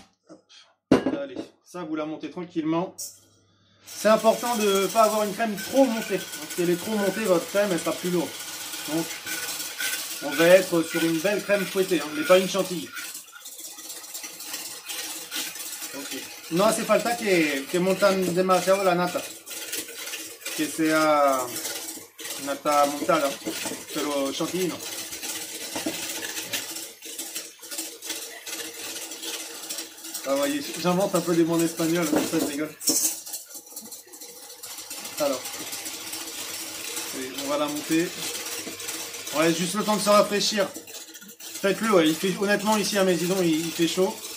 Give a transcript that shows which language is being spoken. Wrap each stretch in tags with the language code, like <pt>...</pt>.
<fr>Hop. Allez, ça vous la montez tranquillement. C'est important de ne pas avoir une crème trop montée. Si elle est trop montée, votre crème elle sera plus lourde. Donc, on va être sur une belle crème fouettée, hein, mais pas une chantilly.</fr> <es>No hace falta que montan demasiado la nata, que sea nata montada, pero chantilly no.</es> <fr>Ah, voyez, j'invente un peu de mon espagnol, ça je rigole. Alors, oui, On va la monter. On laisse juste le temps de se rafraîchir. Faites-le, ouais. Il fait, honnêtement, ici à Mésidon, il fait chaud.</fr>